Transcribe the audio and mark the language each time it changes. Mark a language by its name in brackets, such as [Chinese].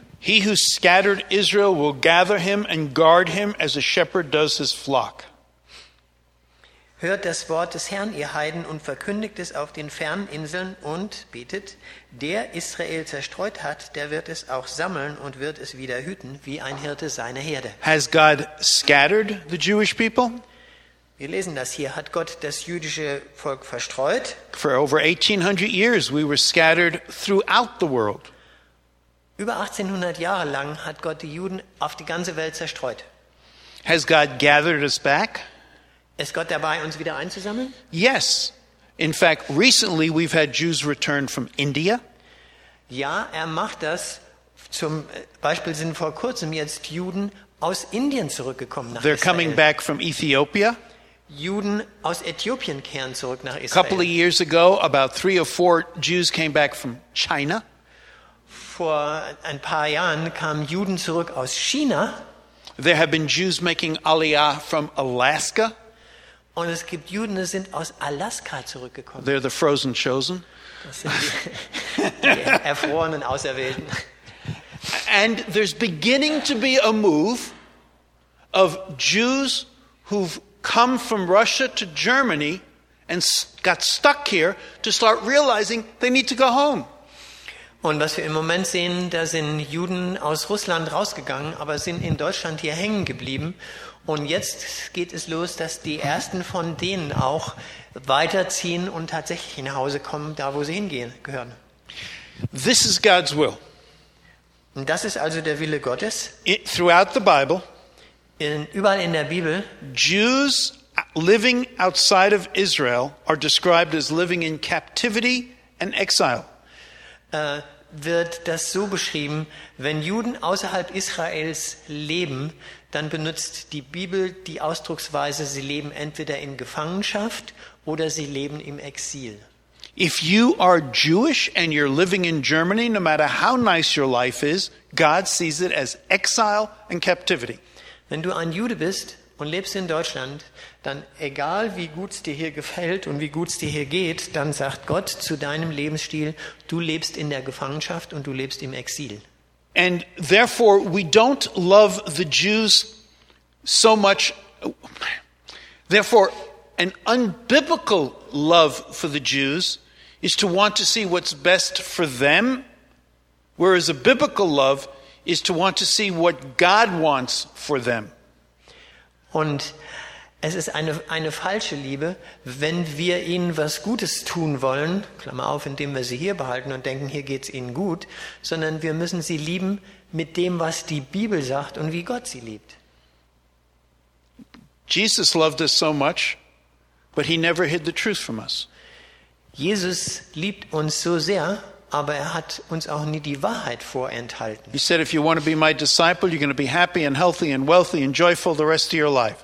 [English] He who scattered Israel will gather him and guard him as a shepherd does his flock. [German] Hört das Wort des Herrn, ihr Heiden, und verkündigt es auf den fernen Inseln und betet, der Israel zerstreut hat, der wird es auch sammeln und wird es wieder hüten, wie ein Hirte seine Herde. [English] Has God scattered the Jewish people? [German] Wir lesen das hier. Hat Gott das jüdische Volk verstreut? [English] For over 1800 years we were scattered throughout the world. [German] Über 1800 Jahre lang hat Gott die Juden auf die ganze Welt zerstreut. [English] Has God gathered us back? [German] Ist Gott dabei, uns wieder einzusammeln? [English] Yes. In fact, recently we've had Jews return from India. [German] Ja, er macht das. Zum Beispiel sind vor kurzem jetzt Juden aus Indien zurückgekommen nach [English] They're [German] Israel. [English] Coming back from Ethiopia. [German] Juden aus Äthiopien kehren zurück nach Israel. [English] Couple of years ago, about 3 or 4 Jews came back from China. [German] Vor ein paar Jahren kamen Juden zurück aus China. [English] There have been Jews making Aliyah from Alaska. [German] Und es gibt Juden, die sind aus Alaska zurückgekommen. [English] They're the frozen chosen. [German] Das sind die erfrorenen Auserwählten. [English] And there's beginning to be a move of Jews who've come from Russia to Germany and got stuck here to start realizing they need to go home. [German] Und was wir im Moment sehen, da sind Juden aus Russland rausgegangen, aber sind in Deutschland hier hängen geblieben. Und jetzt geht es los, dass die ersten von denen auch weiterziehen und tatsächlich nach Hause kommen, da wo sie hingehen gehören. [English] This is God's will. [German] Und das ist also der Wille Gottes. [English] Throughout the Bible, [German] überall in der Bibel, [English] Jews living outside of Israel are described as living in captivity and exile. [German] Wird das so beschrieben, wenn Juden außerhalb Israels leben, dann benutzt die Bibel die Ausdrucksweise, sie leben entweder in Gefangenschaft oder sie leben im Exil. [English] If you are Jewish and you're living in Germany, no matter how nice your life is, God sees it as exile and captivity. [German] Wenn du ein Jude bist und lebst in Deutschland, dann egal wie gut es dir hier gefällt und wie gut es dir hier geht, dann sagt Gott zu deinem Lebensstil, du lebst in der Gefangenschaft und du lebst im Exil. [English] And therefore we don't love the Jews so much. Therefore an unbiblical love for the Jews is to want to see what's best for them, whereas a biblical love is to want to see what God wants for them. [German] Und es ist eine falsche Liebe, wenn wir ihnen was Gutes tun wollen, Klammer auf, indem wir sie hier behalten und denken, hier geht's ihnen gut, sondern wir müssen sie lieben mit dem, was die Bibel sagt und wie Gott sie liebt. [English] Jesus loved us so much, but he never hid the truth from us. [German] Jesus liebt uns so sehr, aber er hat uns auch nie die Wahrheit vorenthalten. [English] He said, if you want to be my disciple, you're going to be happy and healthy and wealthy and joyful the rest of your life.